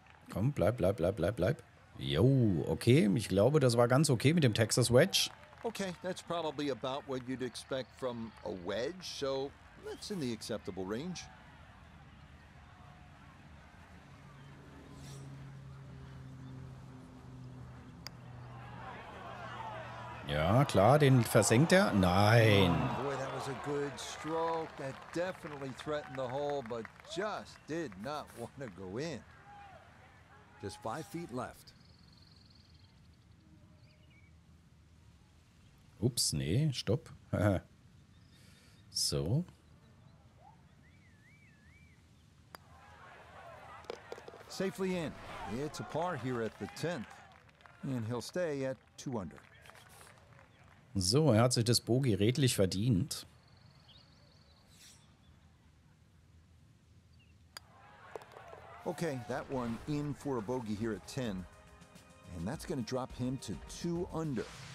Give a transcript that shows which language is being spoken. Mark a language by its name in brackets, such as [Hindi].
[German] Komm, bleib. Jo, okay, ich glaube, das war ganz okay mit dem Texas Wedge. [English] Okay, that's probably about what you'd expect from a wedge, so that's in the acceptable range. [German] Ja, klar, den versenkt er. Nein. [English] Oh, boy, that was a good stroke. That definitely threatened the hole, but just did not want to go in. Just 5 feet left. [German] Ups, nee, stopp. So. [English] Safely in. It's a par here at the 10th. And he'll stay at 2 under. [German] So, er hat sich das Bogey redlich verdient. [English] Okay, that one in for a bogey here at 10. And that's going to drop him to 2 under.